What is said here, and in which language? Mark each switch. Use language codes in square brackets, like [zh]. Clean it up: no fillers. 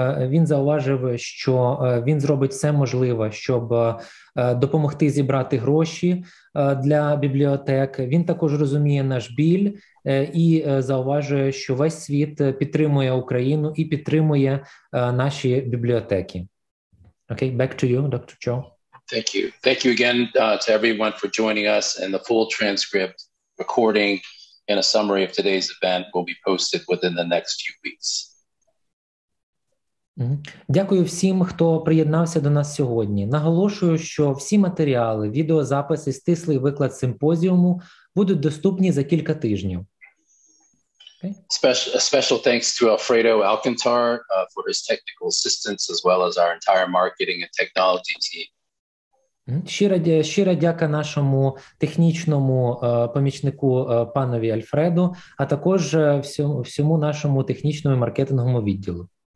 [uk] Він зауважив, що він зробить все можливе, щоб допомогти зібрати гроші для бібліотек. Він також розуміє наш біль і зауважує, що весь світ підтримує Україну і підтримує наші бібліотеки. [en] Okay, back to you, Dr. Chow. Thank you. Thank you again to everyone for joining us, and the full transcript, recording, and a summary of today's event will be posted within the next few weeks. [uk] Дякую всім, хто приєднався до нас сьогодні. Наголошую, що всі матеріали, відеозаписи, стислий виклад симпозіуму будуть доступні за кілька тижнів. [en] Okay. A special thanks to Alfredo Alcantar for his technical assistance, as well as our entire marketing and technology team. [uk] Щира дяка нашому технічному помічнику панові Альфреду, а також всьому нашому технічному маркетинговому відділу.